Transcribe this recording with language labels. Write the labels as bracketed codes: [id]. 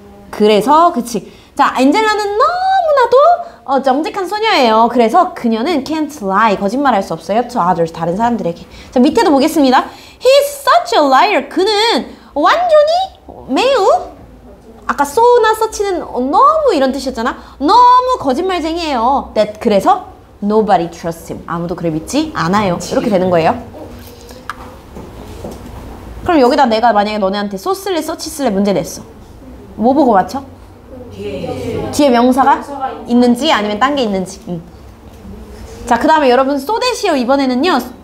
[ko] 그래서 그치 자 안젤라는 너무나도 정직한 소녀예요 그래서 그녀는 [en] can't lie [ko] 거짓말할 수 없어요 [en] to others [ko] 다른 사람들에게 자 밑에도 보겠습니다 [en] He's such a liar. [ko] 그는 완전히 매우 아까 so나 such는 너무 이런 뜻이었잖아. 너무 거짓말쟁이에요. [en] That [ko] 그래서 [en] nobody trusts him. [ko] 아무도 그를 믿지 않아요. 이렇게 되는 거예요. 그럼 여기다 내가 만약에 너네한테 so 쓸래 such 쓸래 문제 냈어. 뭐 보고 맞춰? 뒤에 명사가 있는지 아니면 딴 게 있는지. 자 그 다음에 여러분 so that이요 이번에는요.